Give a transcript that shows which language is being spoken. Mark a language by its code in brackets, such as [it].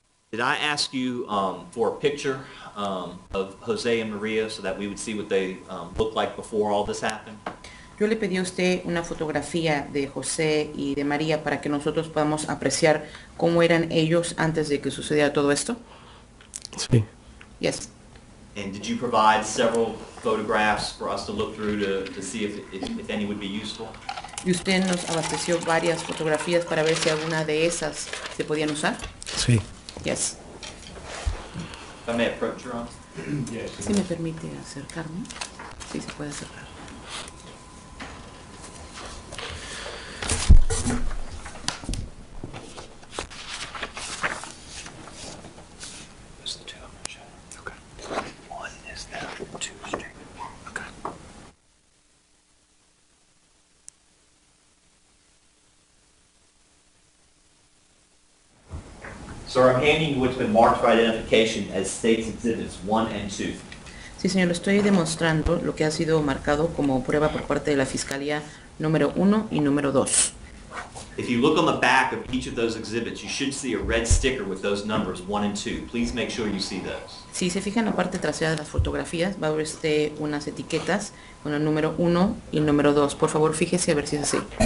[en] Did I ask you for a picture of Jose and Maria so that we would see what they looked like before all this happened? [es] Yo le pedí a usted una fotografía de José y de María para que nosotros podamos apreciar cómo eran ellos antes de que sucediera todo esto. Sí. [en] Yes. And did you provide several photographs for us to look through to see if any would be useful? [es] Y usted nos abasteció varias fotografías para ver si alguna de esas se podían usar. Sí. [en] Yes. If I may approach, Ron. Yes. [es] Si me permite acercarme. Sí, se puede acercar. [en] Sir, I'm handing you what's been marked for identification as State's Exhibits 1 and 2. [es] Sí, señor, estoy demostrando lo que ha sido marcado como prueba por parte de la Fiscalía número 1 y número 2. [en] If you look on the back of each of those exhibits, you should see a red sticker with those numbers 1 and 2. Please make sure you see those. [es] Si se fija en la parte trasera de las fotografías, va a ver usted unas etiquetas con el número 1 y el número 2. Por favor, fíjese a ver si es así.